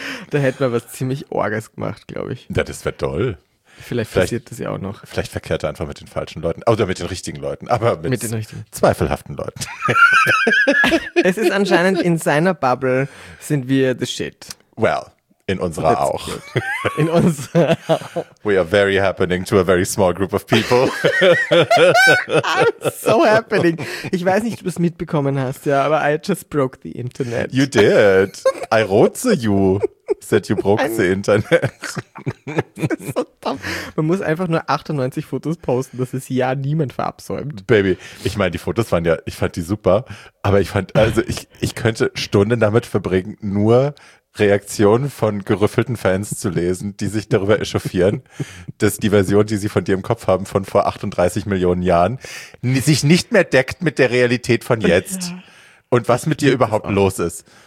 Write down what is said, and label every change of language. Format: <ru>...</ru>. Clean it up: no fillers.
<de>Da hätten wir was ziemlich Orges gemacht, glaube ich. Ja, das wäre toll. Vielleicht passiert das ja auch noch. Vielleicht verkehrt er einfach mit den falschen Leuten. Oder mit den richtigen Leuten. Aber mit den richtigen. Zweifelhaften Leuten. Es ist anscheinend, in seiner Bubble sind wir</de> <en>the shit. Well.</en> <de>In unserer</de> <en>That's</en> <de>auch.</de> <en>Good.</en> <de>In unserer auch.</de> <en>We are very happening to a very small group of people. I'm so happening.</en> <de>Ich weiß nicht, ob du es mitbekommen hast, ja, aber</de> <en>I just broke the internet. You did. I wrote to you. Said you broke the internet.</en> <de>Das ist so dumm. Man muss einfach nur 98 Fotos posten, dass es ja niemand verabsäumt. Baby, ich meine, die Fotos waren ja, ich fand die super, aber ich könnte Stunden damit verbringen, nur Reaktionen von gerüffelten Fans zu lesen, die sich darüber echauffieren, dass die Version, die sie von dir im Kopf haben, von vor 38 Millionen Jahren, sich nicht mehr deckt mit der Realität von jetzt und was mit dir überhaupt los ist.</de>